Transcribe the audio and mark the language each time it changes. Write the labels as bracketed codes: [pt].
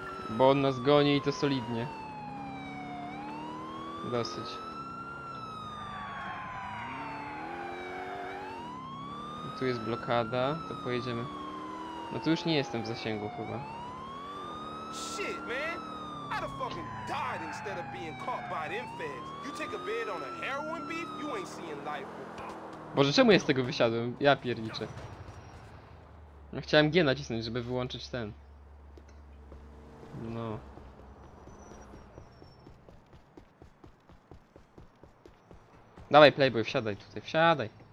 [pl] Bo on nas goni i to solidnie. Dosyć. Tu jest blokada, to pojedziemy. No tu już nie jestem w zasięgu chyba. [en] Shit, man! I'd have fucking died instead of being caught by them feds. You take a bed on a heroin beef, you ain't seeing life. [pl] Boże, czemu ja z tego wysiadłem? Ja pierniczę. No chciałem G nacisnąć, żeby wyłączyć ten. No. Dawaj, playboy, wsiadaj tutaj, wsiadaj.